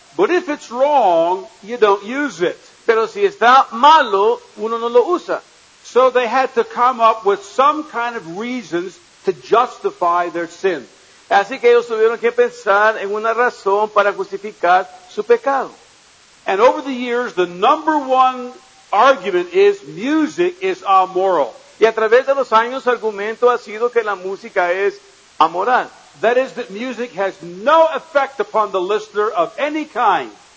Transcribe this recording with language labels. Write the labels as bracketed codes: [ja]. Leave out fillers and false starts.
[en] But if it's wrong, you don't use it. [es] Pero si está malo, uno no lo usa. [en] So they had to come up with some kind of reasons to justify their sin. [es] Así que ellos tuvieron que pensar en una razón para justificar su pecado. [en] And over the years, the number one argument is music is amoral. [es] Y a través de los años, el argumento ha sido que la música es amoral. [en] That is that music has no effect upon the listener of any kind.